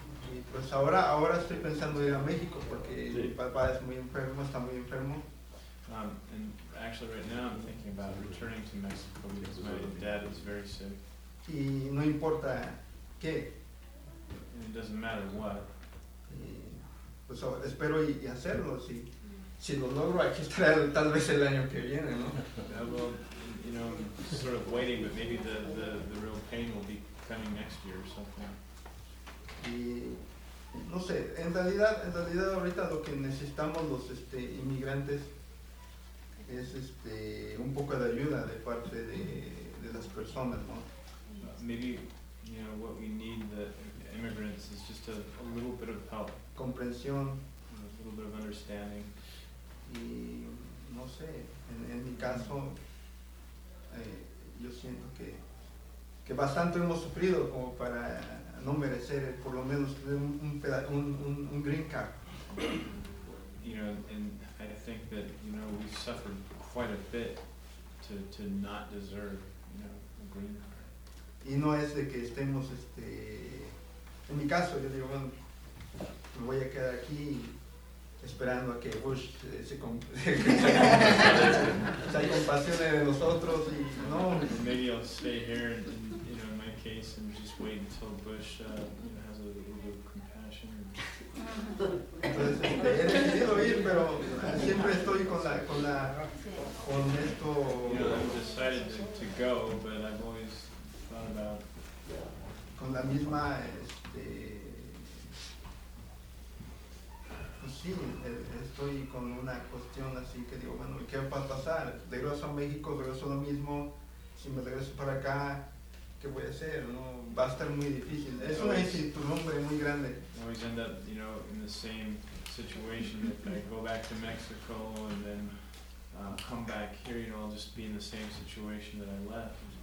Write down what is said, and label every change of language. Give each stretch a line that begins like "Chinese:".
Spanish: Y pues ahora estoy pensando ir a México porque mi papá es muy enfermo, está muy enfermo.
English: And actually right now I'm thinking about returning to Mexico because my dad is very sick.
Spanish: Y no importa qué.
English: And it doesn't matter what.
Spanish: Pues espero y hacerlo, si lo logro aquí estaré tal vez el año que viene, ¿no?
English: Yeah, well, you know, sort of waiting, but maybe the real pain will be coming next year or something.
Spanish: Y no sé, en realidad ahorita lo que necesitamos los inmigrantes es un poco de ayuda de parte de las personas, ¿no?
English: Maybe, you know, what we need the immigrants is just a little bit of help.
Spanish: Comprensión.
English: A little bit of understanding.
Spanish: Y no sé, en mi caso, yo siento que que bastante hemos sufrido como para no merecer por lo menos un green card.
English: You know, and I think that, you know, we suffered quite a bit to not deserve, you know, a green card.
Spanish: Y no es de que estemos, este, en mi caso, yo digo, bueno, me voy a quedar aquí esperando a que Bush se compasione de nosotros y no.
English: Maybe I'll stay here and, you know, in my case, and just wait until Bush, you know, has a little bit of compassion.
Spanish: Entonces, he decidido ir, pero siempre estoy con esto.
English: You know, I've decided to go, but I've always thought about.
Spanish: Con la misma, este. Pues sí, estoy con una cuestión así que digo, bueno, ¿qué va a pasar? De regreso a México, de regreso a lo mismo. Si me regreso para acá, ¿qué voy a hacer? ¿No? Va a estar muy difícil. Es una incertidumbre muy grande.
English: Always end up, you know, in the same situation. If I go back to Mexico and then come back here, you know, I'll just be in the same situation that I left.